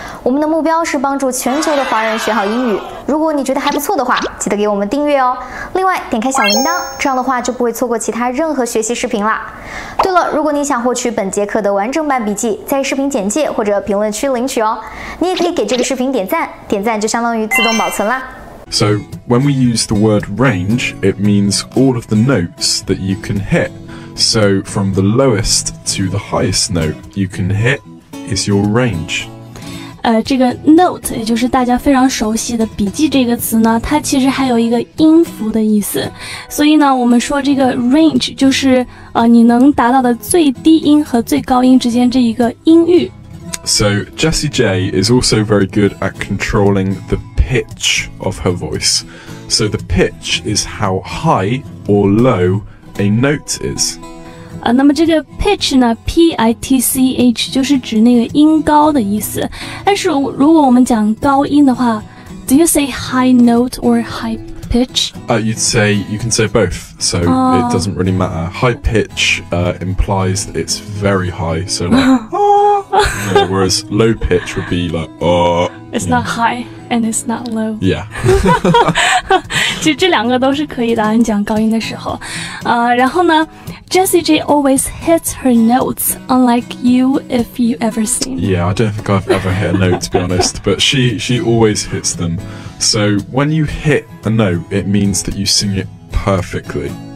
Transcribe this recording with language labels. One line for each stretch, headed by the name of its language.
Chinese: 我们的目标是帮助全球的华人学好英语。如果你觉得还不错的话，记得给我们订阅哦。另外，点开小铃铛，这样的话就不会错过其他任何学习视频啦。对了，如果你想获取本节课的完整版笔记，在视频简介或者评论区领取哦。你也可以给这个视频点赞，点赞就相当于自动保存啦。
English: So, when we use the word range, it means all of the notes that you can hit. So, from the lowest to the highest note you can hit is your range.
Chinese: 这个 note, 也就是大家非常熟悉的笔记这个词呢，它其实还有一个音符的意思。所以呢，我们说这个 range 就是你能达到的最低音和最高音之间这一个音域。
English: So, Jessie J is also very good at controlling the pitch of her voice. So, the pitch is how high or low a note is.
Chinese: 那么这个 pitch 呢 P-I-T-C-H 就是指那个音高的意思。但是如果我们讲高音的话
English: do you say high note or high pitch? You can say both. So, it doesn't really matter. High pitch implies that it's very high. So, like, no, whereas low pitch would be like, It's not high and it's not low. Yeah.
Chinese: 其实这两个都是可以的，你讲高音的时候。
English: 然后呢 Jessie J always hits her notes, unlike you if you ever seen. Yeah, I don't think I've ever hit a note, to be honest. But she always hits them. So when you hit a note, it means that you sing it perfectly.